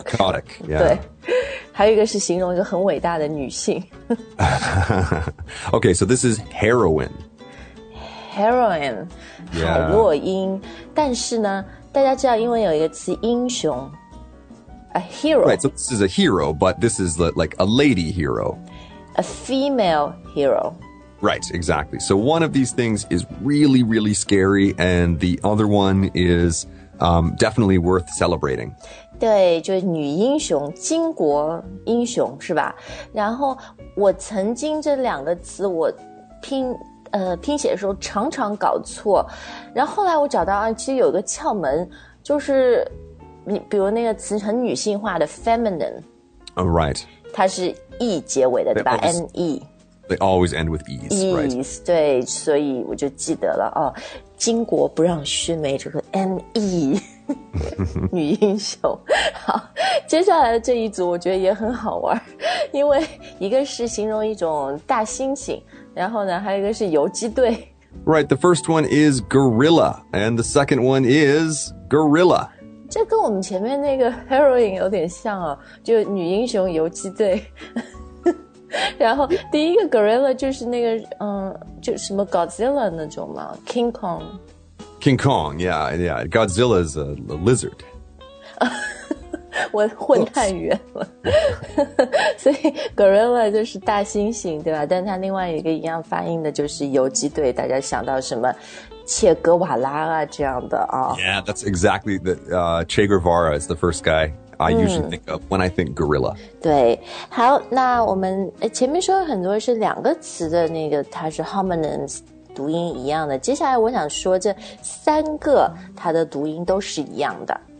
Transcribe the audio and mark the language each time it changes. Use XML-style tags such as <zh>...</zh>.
<en>okay, narcotic、yeah.</en> <zh>对，还有一个是形容一个很伟大的女性</zh> <en>，OK， so this is heroin，</en> <zh>heroin， 海洛因，</zh> <en>yeah.</en> <zh>但是呢。大家知道英文有一个词英雄 a hero.</zh> <en>Right, so this is a hero, but this is like a lady hero. A female hero. Right, exactly. So one of these things is really, really scary, and the other one is definitely worth celebrating.</en> <zh>对，就是女英雄，巾帼英雄，是吧？然后我曾经这两个词我拼写的时候常常搞错然后后来我找到其实有个窍门就是你比如那个词很女性化的 feminine、</zh> <en>oh, right</en> <zh>它是 e 结尾的对吧 ne</zh> <en>they always end with e's e's、 right.</en> <zh>对所以我就记得了哦，巾帼不让须眉这个 ne 女英雄好接下来的这一组我觉得也很好玩因为一个是形容一种大猩猩然后呢还有一个是游击队</zh> <en>Right, the first one is gorilla And the second one is gorilla</en> <zh>这跟我们前面那个 heroin 有点像哦就女英雄游击队然后第一个 gorilla 就是那个就什么 Godzilla 那种嘛 King Kong</zh> <en>King Kong, yeah, yeah Godzilla is a lizard</en> <zh>混混太远了。所以 gorilla 就是大猩猩，对吧？但它另外一个一样发音的就是游击队，大家想到什么？切格瓦拉啊，这样的啊。</zh> <en>Yeah, that's exactly the Che Guevara is the first guy I usually think of when I think gorilla.</en> <zh>对，好，那我们前面说很多是两个词的那个，它是 homonyms。读音一样的，接下来我想说这三个它的读音都是一样的。</zh>